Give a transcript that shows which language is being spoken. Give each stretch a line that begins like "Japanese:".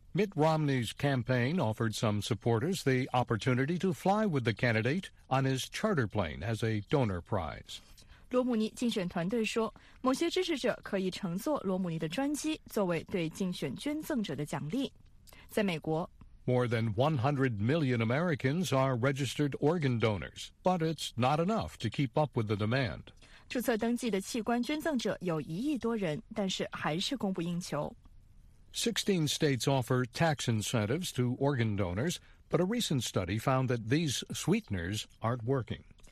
English: Mitt Romney's campaign offered some supporters the opportunity to fly with the candidate on his charter plane as a donor prize.
Chinese: 罗姆尼竞选团队说，某些支持者可以乘坐罗姆尼的专机作为对竞选捐赠者的奖励。在美国，
English: More than 100 million Americans are registered organ donors, but it's not enough to keep up with the demand. 16 states offer tax incentives to organ donors, but a recent study found that these sweeteners aren't working.